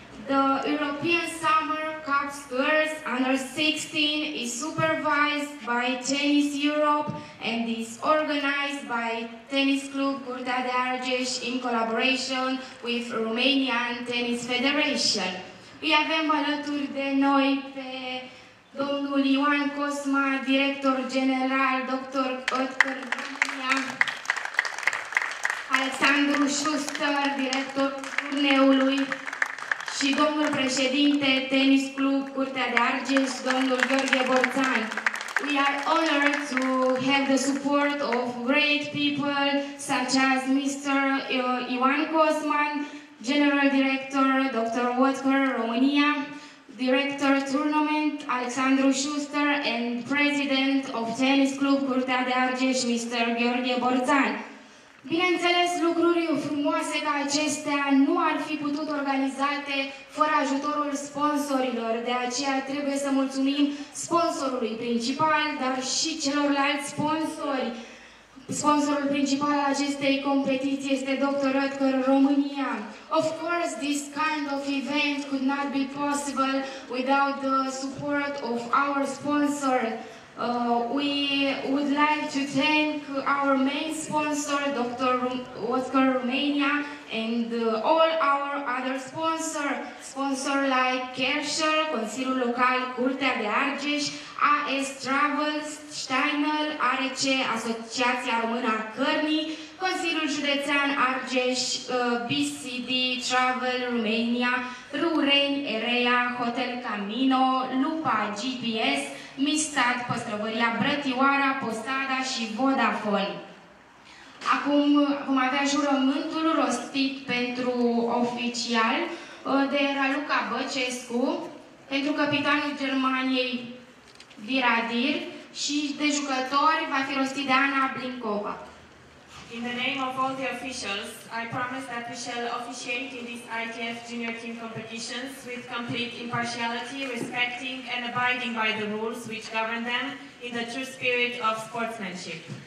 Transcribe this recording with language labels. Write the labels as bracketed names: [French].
[English] The European Summer Cups Girls Under 16 is supervised by Tennis Europe and is organized by Tennis Club Curtea de Argeș in collaboration with Romanian Tennis Federation. [Romanian] Îi avem alături de noi pe domnul Ioan Cosma, director general, dr. Oscar Vania, Alexandru Schuster, director turneului, și domnul președinte Tennis Club Curtea de Argeș, domnul Gheorghe Borțan. [English] We are honored to have the support of great people such as Mr. Ioan Cosman, General Director, Dr. Watker, România, Director Tournament, Alexandru Schuster, and President of Tennis Club Curtea de Argeș, Mr. Gheorghe Borțan. [Romanian] Bineînțeles, lucruri frumoase ca acestea nu ar fi putut organizate fără ajutorul sponsorilor, de aceea trebuie să mulțumim sponsorului principal, dar și celorlalți sponsori. Sponsorul principal al acestei competiții este Dr. Oetker România. [English] Of course, this kind of event could not be possible without the support of our sponsor. We would like to thank our main sponsor, Dr. Oetker Romania, and all our other sponsors like Kershaw, Consiliul Local Curtea de Argeș, AS Travels, Steinel, ARC, Asociația Română a Cărnii, Consiliul Județean Argeș, BCD, Travel, Romania, Rureni, Erea, Hotel Camino, Lupa, GPS, Mistat, Păstrăvăria Brătioara, Posada și Vodafone. [Romanian] Acum vom avea jurământul rostit pentru oficial de Raluca Băcescu, pentru capitanul Germaniei Viradir și de jucători va fi rostit de Ana Blinkova. [English] In the name of all the officials, I promise that we shall officiate in these ITF junior team competitions with complete impartiality, respecting and abiding by the rules which govern them in the true spirit of sportsmanship.